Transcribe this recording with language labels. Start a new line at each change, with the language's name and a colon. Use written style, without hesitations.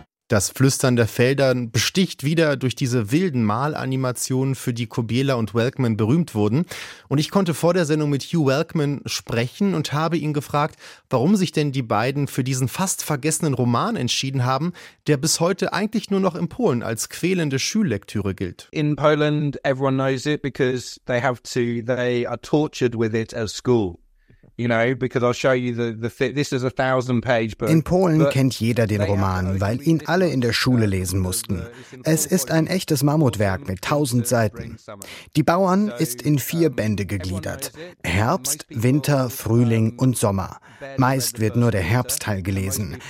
German: Das Flüstern der Felder besticht wieder durch diese wilden Malanimationen, für die Kobiela und Welkman berühmt wurden. Und ich konnte vor der Sendung mit Hugh Welkman sprechen und habe ihn gefragt, warum sich denn die beiden für diesen fast vergessenen Roman entschieden haben, der bis heute eigentlich nur noch in Polen als quälende Schullektüre gilt.
English: In Poland, everyone knows it because they have to, they are tortured with it at school.
German: In Polen kennt jeder den Roman, weil ihn alle in der Schule lesen mussten. Es ist ein echtes Mammutwerk mit 1000 Seiten. Die Bauern ist in 4 Bände gegliedert. Herbst, Winter, Frühling und Sommer. Meist wird nur der Herbstteil gelesen.